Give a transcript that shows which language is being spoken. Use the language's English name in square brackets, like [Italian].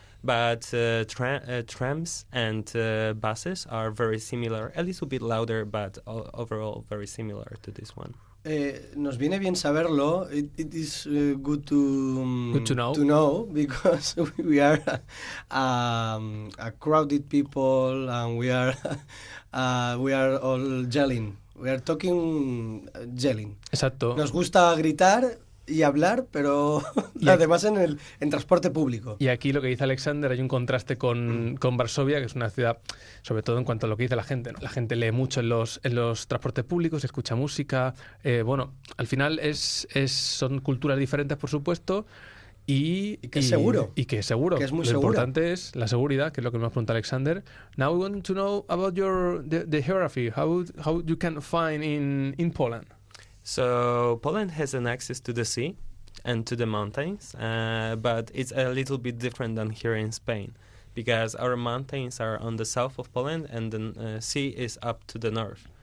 [English] But trams and buses are very similar, a little bit louder, but overall very similar to this one. [Spanish] Nos viene bien saberlo. [English] It is good to know because we are a crowded people and we are all yelling. We are talking yelling. [Spanish] Exacto. Nos gusta gritar y hablar, pero y además en transporte público. Y aquí lo que dice Alexander, hay un contraste con Varsovia, que es una ciudad, sobre todo en cuanto a lo que dice la gente, ¿no? La gente lee mucho en los transportes públicos, escucha música. Bueno, al final son culturas diferentes, por supuesto. Y que es seguro. Que es muy lo seguro. Importante es la seguridad, que es lo que me ha preguntado Alexander. [English] Now we want to know about your the geography. How you can find in Poland. So Poland has an access to the sea and to the mountains, but it's a little bit different than here in Spain, because our mountains are on the south of Poland and the sea is up to the north.